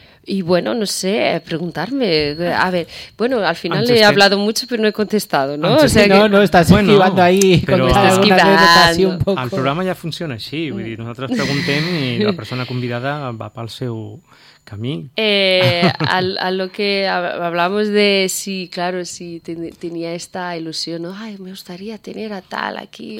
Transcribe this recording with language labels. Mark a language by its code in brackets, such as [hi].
[es] Y bueno, no sé, preguntarme. A ver, bueno, al final he hablado mucho, pero no he contestado, ¿no? O sea, no, estás esquivando ahí. Estás esquivando. Un poco. [ca] El programa ja funciona així. Vull dir, nosaltres preguntem i la persona convidada va pel seu camí. [es] A lo que hablamos de si, claro, si tenía esta ilusión, ¿no? Ay, me gustaría tener a tal aquí.